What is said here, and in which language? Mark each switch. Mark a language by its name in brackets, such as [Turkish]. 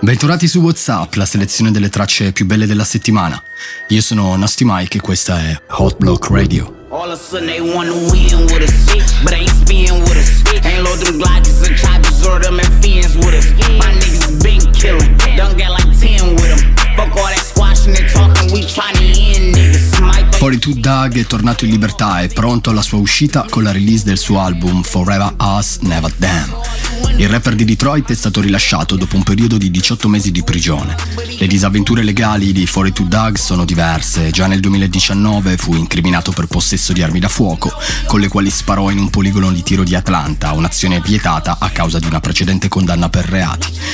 [Italian] Bentornati su WhatsApp, la selezione delle tracce più belle della settimana. Io sono Nasty Mike e questa è Hot Block Radio. [English] All of a sudden they want to win with us, but ain't spin with us. Ain't load them glides and try to sort them and fiends with us. My niggas been killing, don't get like 10 with them. Fuck all that squashing and talking, we trying to end niggas. [Italian] Forty-Two Doug è tornato in libertà e pronto alla sua uscita con la release del suo album Forever Us Never Them. Il rapper di Detroit è stato rilasciato dopo un periodo di 18 mesi di prigione. Le disavventure legali di 42 Doug sono diverse. Già nel 2019 fu incriminato per possesso di armi da fuoco, con le quali sparò in un poligono di tiro di Atlanta, un'azione vietata a causa di una precedente condanna per reati.